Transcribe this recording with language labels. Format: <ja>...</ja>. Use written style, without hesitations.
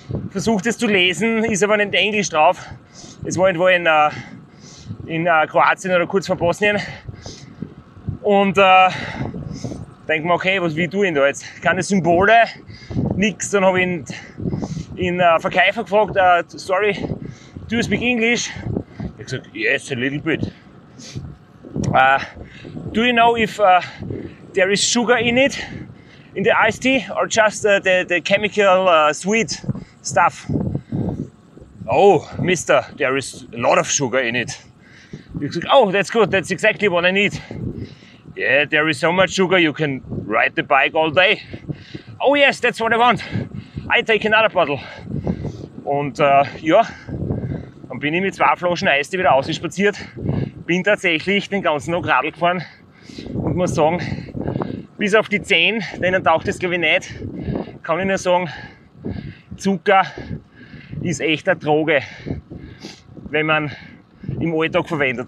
<de>versucht es zu lesen, ist aber nicht Englisch drauf. Es war irgendwo in Kroatien oder kurz vor Bosnien. Und denke mir, okay, was will ich tun da jetzt? Keine Symbole, nichts. Dann habe ich in Verkäufer gefragt,</de> <en>sorry, do you speak English?</en> <de>Er hat gesagt,</de> <en>yes, a little bit. Do you know if there is sugar in it, in the iced tea, or just the chemical sweet stuff? Oh, mister, there is a lot of sugar in it. He said, oh, that's good, that's exactly what I need. Yeah, there is so much sugar, you can ride the bike all day. Oh yes, that's what I want. I take another bottle.</en> <de>Und ja, dann bin ich mit zwei Flaschen Eis wieder ausgespaziert, bin tatsächlich den ganzen Tag Radl gefahren und muss sagen, bis auf die Zehen, denen taucht das glaube ich nicht, kann ich nur sagen, Zucker ist echt eine Droge, wenn man im Alltag verwendet.</de>